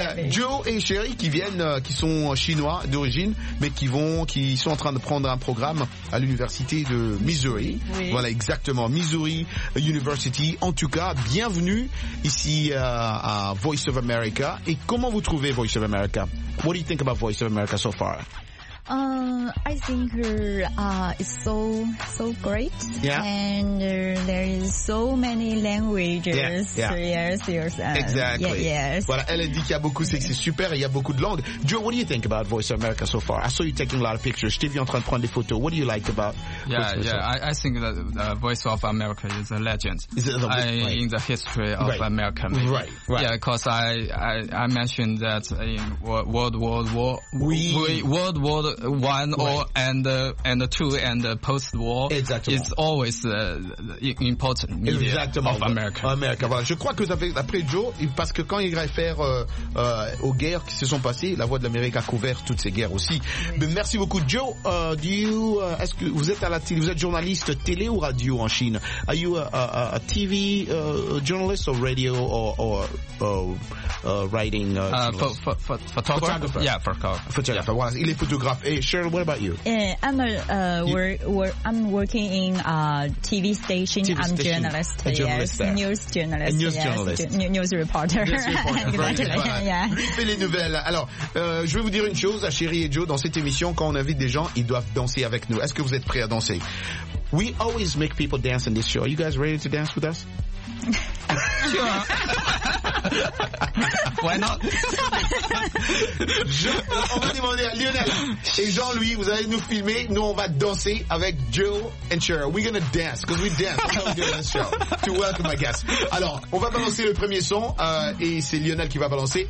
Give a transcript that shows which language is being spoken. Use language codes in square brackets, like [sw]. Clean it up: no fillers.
[fr] Joe et Chérie qui viennent, qui sont chinois d'origine, mais qui sont en train de prendre un programme à l'université de Missouri. Oui. Voilà, exactement. Missouri University. En tout cas, bienvenue ici à Voice of America. Et comment vous trouvez Voice of America? [en] What do you think about Voice of America so far? I think it's so great. Yeah. And there is so many languages. Exactly. Yes. [fr] Voilà, elle dit qu'il y a beaucoup, c'est que c'est super, il y a beaucoup de langues. [en] Joe, what do you think about Voice of America so far? I saw you taking a lot of pictures. [fr] Je t'ai vu en train de prendre des photos. [en] What do you like about I think that Voice of America is a legend. Is it in the history of America, maybe. Right. Yeah, because I mentioned that in World War One and two and post war is always important media of America. America. Voilà. [fr] Je crois que vous avez après Joe parce que quand il réfère aux guerres qui se sont passées, la voix de l'Amérique a couvert toutes ces guerres aussi. Oui. Mais merci beaucoup Joe. Est-ce que vous êtes à la télé? Vous êtes journaliste télé ou radio en Chine? [en] Are you a TV journalist or radio or writing photographer? Yeah, photographer. Yeah. Voilà. [fr] Il est photographe. [en] Hey, Cheryl, what about you? I'm working in a TV station. News reporter. [fr] Les nouvelles. Alors, je vais vous dire une chose à Chérie et Joe. Dans cette émission, quand on invite des gens, ils doivent danser avec nous. Est-ce que vous êtes prêts à danser? [en] We always make people dance in this show. Are you guys ready to dance with us? Why not? [fr] On va demander à Lionel et Jean-Louis, vous allez nous filmer. Nous, on va danser avec Joe and [en] Cheryl. We're gonna dance, because we dance. That's how we do this show. To welcome my guests. [fr] Alors, on va balancer le premier son, et c'est Lionel qui va balancer.